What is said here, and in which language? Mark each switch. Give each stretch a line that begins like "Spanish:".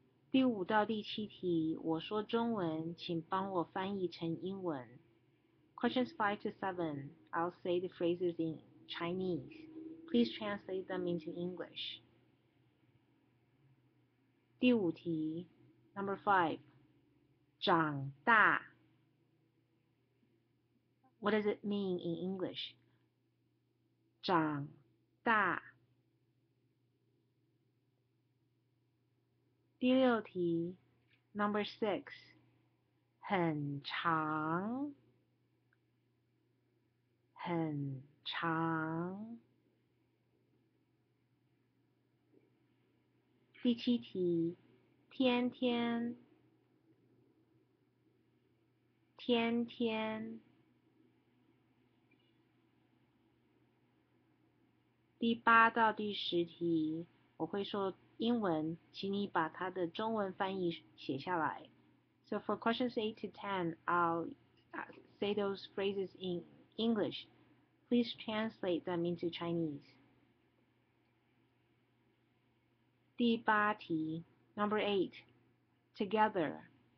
Chinese: 第五到第七题，我说中文，请帮我翻译成英文。
English: Questions 5 to 7, I'll say the phrases in Chinese. Please translate them into English.
Chinese: 第五题 ,
English: Number 5,
Chinese: 长大。 What does it mean in English? 长大。第六题 ,
English: Number 6,
Chinese: 很长。很长。第七题，天天，天天。第八到第十题，我会说英文，请你把它的中文翻译写下来。
English: So for questions 8 to 10, I'll say those phrases in English. Please translate them into Chinese.
Chinese: 第八题
English: ,number 8, together.